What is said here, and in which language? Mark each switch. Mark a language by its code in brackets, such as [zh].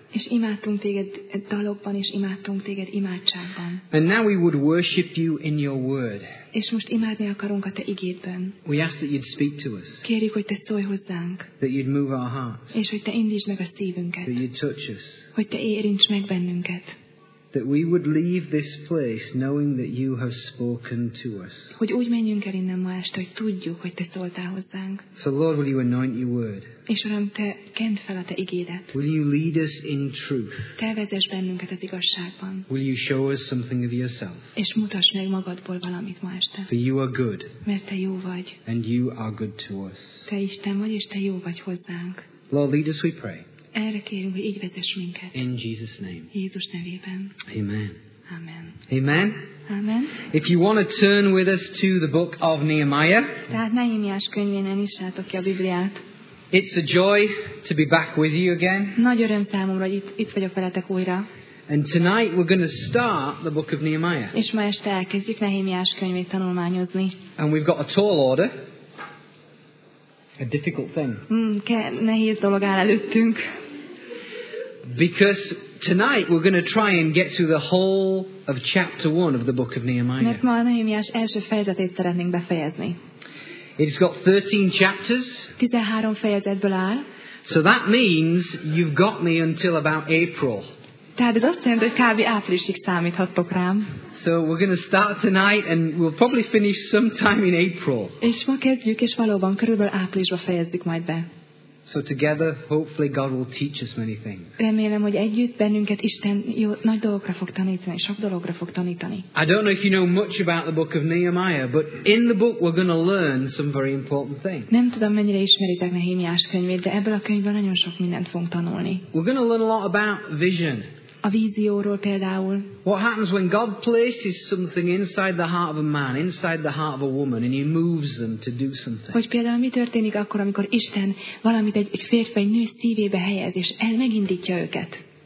[hu] És imádtunk téged dalokban, és imádtunk téged imádságban. [en] And now we would worship you in your word. [hu] És most imádni akarunk a te igédben. [en] We ask that you'd speak to us. [hu] Kérjük, hogy te szólj hozzánk. [en] That you'd move our hearts. [hu] És hogy te indítsd meg a szívünket. [en] That you'd touch us. [hu] Hogy te érints meg bennünket. [en] That we would leave this place knowing that you have spoken to us. [hu] Hogy úgy menjünk el innen ma este, hogy tudjuk, hogy te szóltál hozzánk. [en] So Lord, will you anoint your word? [hu] És Uram, te kent fel a te igédet. [en] Will you lead us in truth? [hu] Te vezess bennünket az igazságban. [en] Will you show us something of yourself? [hu] És mutass meg magadból valamit ma este. [en] For you are good. [hu] Mert te jó vagy. [en] And you are good to us. [hu] Te Isten vagy, és te jó vagy hozzánk. [en] Lord, lead us, we pray. [hu] Erre kérünk, hogy így vezess minket. [en] In Jesus' name. [hu] Jézus nevében. [en] Amen. [hu] Amen. [en] Amen. [hu] Amen. [en] If you want to turn with us to the book of Nehemiah. [hu] Tehát Nehémiás könyvén nyissátok ki a Bibliát. [en] It's a joy to be back with you again. [hu] Nagy öröm számomra, hogy itt vagyok veletek újra. [en] And tonight we're going to start the book of Nehemiah. [hu] És ma este elkezdjük Nehémiás könyvét tanulmányozni. [en] And we've got a tall order. A difficult thing. [hu] Nehéz dolog áll előttünk. [en] Because tonight we're going to try and get through the whole of chapter 1 of the book of Nehemiah. [hu] Mert ma a Nehemiás első fejezetét szeretnénk befejezni. [en] It's got 13 chapters. [hu] 13 fejezetből áll. [en] So that means you've got me until about April. [hu] Tehát ez azt jelenti, hogy kb. Áprilisig számíthattok rám. [en] So we're going to start tonight and we'll probably finish sometime in April. [hu] És ma kezdjük, és valóban körülbelül áprilisba fejezzük majd be. [en] So together, hopefully God will teach us many things. [hu] Remélem, hogy együtt bennünket Isten jó, nagy dolgokra fog tanítani, sok dologra fog tanítani. [en] I don't know if you know much about the book of Nehemiah, but in the book we're going to learn some very important things. [hu] Nem tudom, mennyire ismeritek Nehémiás könyvét, de ebből a könyvből nagyon sok mindent fogunk tanulni. [en] We're going to learn a lot about vision. [hu] A vízióról például. [en] What happens when God places something inside the heart of a man, inside the heart of a woman, and he moves them to do something? [hu] Hogy például mi történik akkor, amikor Isten valamit egy férfi vagy nő szívébe helyez, és megindítja őket?